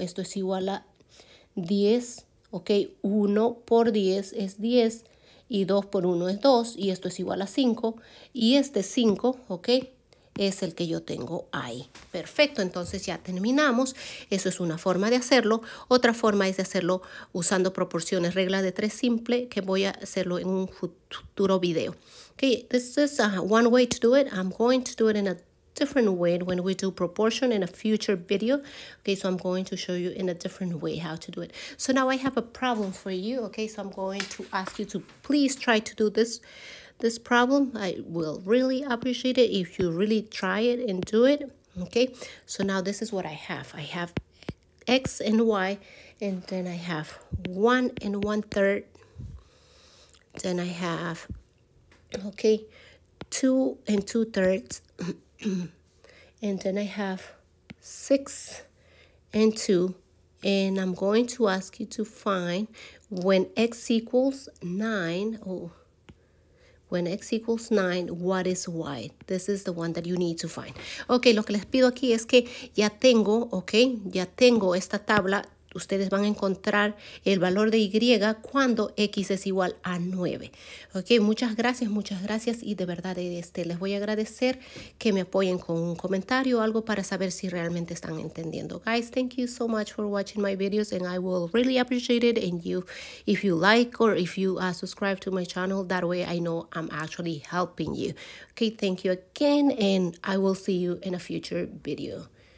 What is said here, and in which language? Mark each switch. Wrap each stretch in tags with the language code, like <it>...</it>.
<es>Esto es igual a 10, ok, 1 por 10 es 10, y 2 por 1 es 2, y esto es igual a 5. Y este 5, ok, es el que yo tengo ahí. Perfecto, entonces ya terminamos. Eso es una forma de hacerlo. Otra forma es de hacerlo usando proporciones, regla de 3 simple, que voy a hacerlo en un futuro video.</es> <en>Okay, this is one way to do it. I'm going to do it in a different way when we do proportion in a future video. Okay, so I'm going to show you in a different way how to do it. So now I have a problem for you. Okay, so I'm going to ask you to please try to do this problem. I will really appreciate it if you really try it and do it. Okay, so now this is what I have. I have x and y, and then I have 1 1/3. Then I have, okay, 2 2/3. And then I have 6 2. And I'm going to ask you to find when x equals 9. Oh, when x equals 9, what is y? This is the one that you need to find.</en> <es>Okay, lo que les pido aquí es que ya tengo, okay, ya tengo esta tabla. Ustedes van a encontrar el valor de Y cuando X es igual a 9. Ok, muchas gracias y de verdad les voy a agradecer que me apoyen con un comentario o algo para saber si realmente están entendiendo.</es> <en>Guys, thank you so much for watching my videos and I will really appreciate it and you, if you like or if you subscribe to my channel, that way I know I'm actually helping you. Ok, thank you again and I will see you in a future video.</en>